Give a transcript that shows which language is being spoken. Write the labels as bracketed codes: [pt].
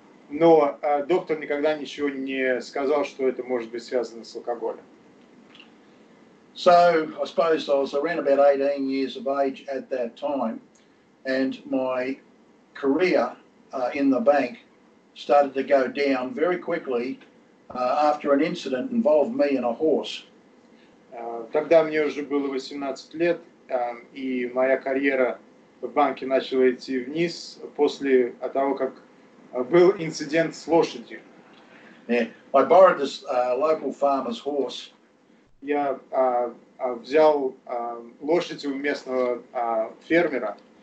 [ru] Но доктор никогда ничего не сказал, что это может быть связано с алкоголем. [en] So, I suppose I was around about 18 years of age at that time, and my career in the bank started to go down very quickly after an incident involved me and a horse. [ru] Тогда мне уже было 18 лет, и моя карьера в банке начала идти вниз после того, как был инцидент с лошадью. [en] Yeah. I borrowed this local farmer's horse. [ru] Я взял лошадь у местного фермера.